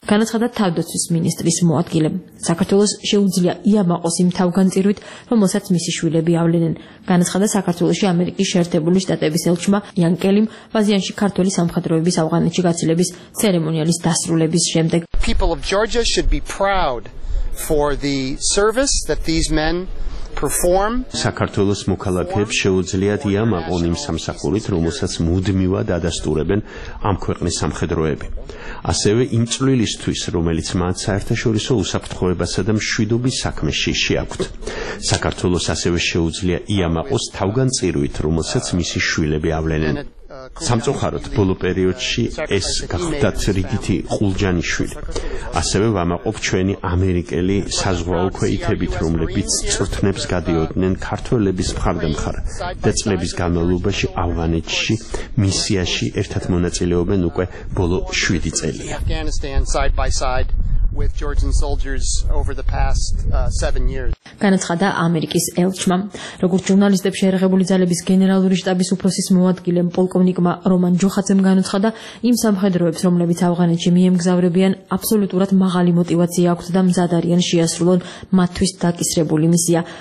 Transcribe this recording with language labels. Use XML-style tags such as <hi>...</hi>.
<ka>განაცხადა თავდაცვის მინისტრის მოადგილემ. საქართველოს შეუძლია იამაყოს იმ თავგანწირვით, რომელსაც მისი შვილები ავლენენ. განაცხადა საქართველოში ამერიკის შეერთებული შტატების ელჩმა იან კელიმ ვაზიანში ქართველი სამხედროების ავღანეთში გაცილების ცერემონიალის დასრულების შემდეგ.</ka> <en>People of Georgia should be proud for the service that these men perform.</en> <ka>საქართველოს მოქალაქეებს შეუძლიათ იამაყონ იმ სამსახურით, რომელსაც მუდმივად ადასტურებენ ამ ქვეყნის სამხედროები. ასევე იმ წვლილისთვის, რომელიც მათ საერთაშორისო უსაფრთხოებასა და მშვიდობის საქმეში შეაქვთ. საქართველოს ასევე შეუძლია იამაყოს თავგანწირვით, რომელსაც მისი შვილები ავლენენ. სამწუხაროდ, ბოლო პერიოდში ეს გახდათ რიგითი ყულჯანიშვილი. ასევე ვამაყობ ჩვენი ამერიკელი საზღვაო ქვეითებით, რომლებიც წრთნებს გადიოდნენ ქართველების მხარდამხარ და წლების განმავლობაში ავღანეთში მისიაში ერთად მონაწილეობენ უკვე ბოლო 7 წელია.</ka> <en>With Georgian soldiers over the past 7 years.</en> <ka>განაცხადა ამერიკის ელჩმა, როგორც ჟურნალისტებს შეერღებული ძალების გენერალური შტაბის უფროსის მოადგილემ პოლკოვნიკმა რომან ჯოხაძემ განაცხადა, იმ სამხედროებს, რომლებიც ავღანეთში მიემგზავრებიან, აბსოლუტურად მაღალი мотиваცია აქვს და მზად არიან შეასრულონ მათთვის დაკისრებული მისია.</ka>